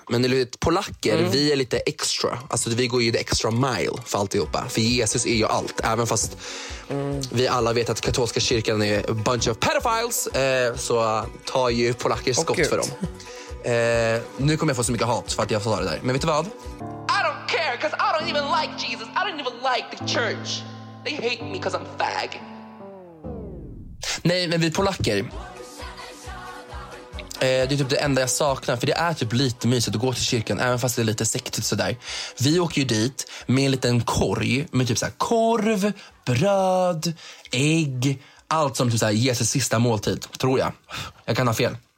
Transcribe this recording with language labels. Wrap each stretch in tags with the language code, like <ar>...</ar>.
<sv>Men polacker, vi är lite extra. Alltså vi går ju</sv> <en>the extra mile</en> <sv>för alltihopa. För Jesus är ju allt. Även fast vi alla vet att katolska kyrkan är</sv> <en>a bunch of pedophiles,</en> <sv>så tar ju polacker skott för dem. Nu kommer jag få så mycket hat för att jag får det där. Men vet du vad?</sv> <en>I don't care, cause I don't even like Jesus. I don't even like the church. They hate me cause I'm fag.</en> <sv>Nej, men vi polacker, det är typ det enda jag saknar. För det är typ lite mysigt att gå till kyrkan, även fast det är lite sektigt sådär. Vi åker ju dit med en liten korg med typ såhär korv, bröd, ägg, allt som typ såhär Jesus sista måltid, tror jag. Jag kan ha fel.</sv>